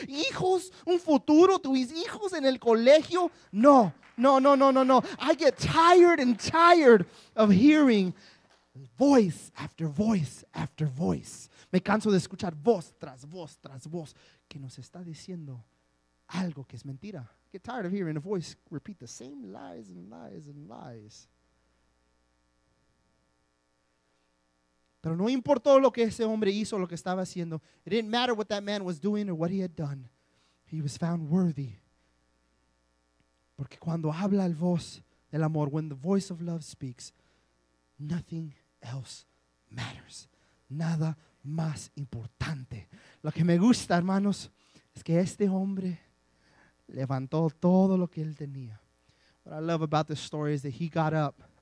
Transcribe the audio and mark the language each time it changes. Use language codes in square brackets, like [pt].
[es] Hijos, un futuro, tus hijos en el colegio? [en] No, no, no, no, no, no. I get tired and tired of hearing voice after voice after voice. [es] Me canso de escuchar voz tras voz tras voz que nos está diciendo algo que es mentira. [en] I get tired of hearing a voice repeat the same lies and lies and lies. [es] Pero no importó lo que ese hombre hizo, lo que estaba haciendo. [en] It didn't matter what that man was doing or what he had done. He was found worthy. [es] Porque cuando habla el voz del amor, [en] when the voice of love speaks, nothing else matters. [es] Nada más importante. Lo que me gusta, hermanos, es que este hombre levantó todo lo que él tenía. [en] What I love about this story is that he got up.